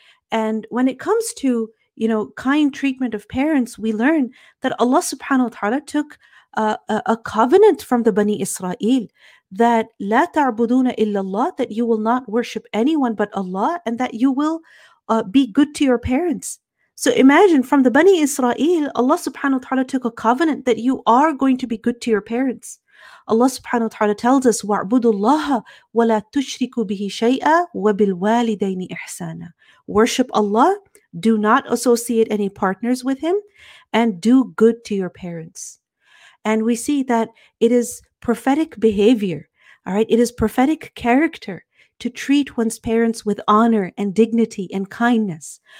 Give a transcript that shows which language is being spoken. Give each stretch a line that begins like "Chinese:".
English: And when it comes to, you know, kind treatment of parents, we learn that Allah subhanahu wa ta'ala took a covenant from the Bani Israel that
Arabic: لا تعبدون إلا الله,
English: that you will not worship anyone but Allah, and that you will be good to your parents. So imagine, from the Bani Israel, Allah subhanahu wa ta'ala took a covenant that you are going to be good to your parents. Allah subhanahu wa ta'ala tells us,
Arabic: وَاعْبُدُوا اللَّهَ وَلَا تُشْرِكُوا بِهِ شَيْئًا وَبِالْوَالِدَيْنِ إِحْسَانًا.
English: Worship Allah, do not associate any partners with Him, and do good to your parents. And we see that it is prophetic behavior, all right? It is prophetic character to treat one's parents with honor and dignity and kindness.